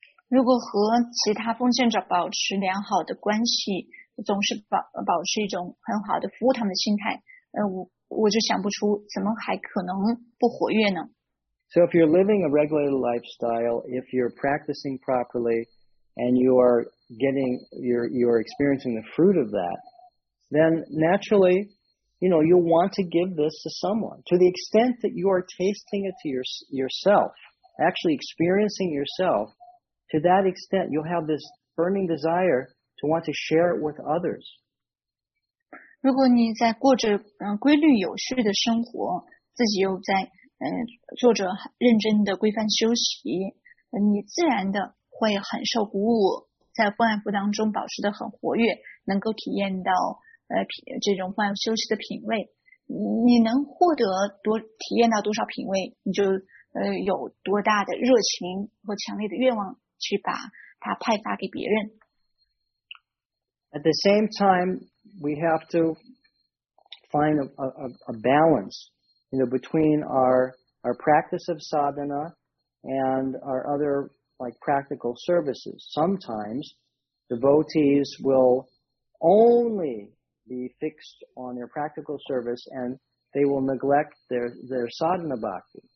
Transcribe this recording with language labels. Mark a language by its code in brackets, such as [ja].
[zh] 如果和其他奉献者保持良好的关系，总是保持一种很好的服务他们的心态，我就想不出怎么还可能不活跃呢？ [en] So if you're living a regulated lifestyle, if you're practicing properly, and you are getting, you're experiencing the fruit of that, then naturally, you know, you'll want to give this to someone. To the extent that you are tasting it to yourself, actually experiencing yourself, to that extent, you'll have this burning desire to want to share it with others. [zh] 如果你在过着规律有序的生活，自己又在做着认真的规范修习，你自然的会很受鼓舞，在奉爱服当中保持得很活跃，能够体验到这种奉爱休息的品味。你能获得多体验到多少品味，你就有多大的热情和强烈的愿望去把它派发给别人。 [en] At the same time, we have to find a balance, you know, between our practice of sadhana and our other like practical services. Sometimes devotees will only be fixed on their practical service and they will neglect their sadhana bhakti.